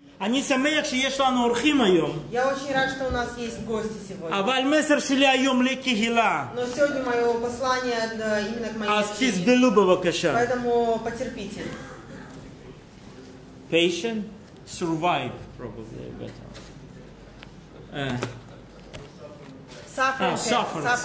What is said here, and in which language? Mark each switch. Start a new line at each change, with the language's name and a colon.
Hebrew: אני שמח שיש לנו אורחים היום.
Russian: Я очень рад, что у нас есть гости сегодня.
Hebrew: אבל מסר שלי היום לקהילה.
Russian: Но сегодня мое послание именно к моей семье.
Hebrew: אז תסבלו בבקשה.
Russian: Поэтому потерпите. Patient, survive, probably better.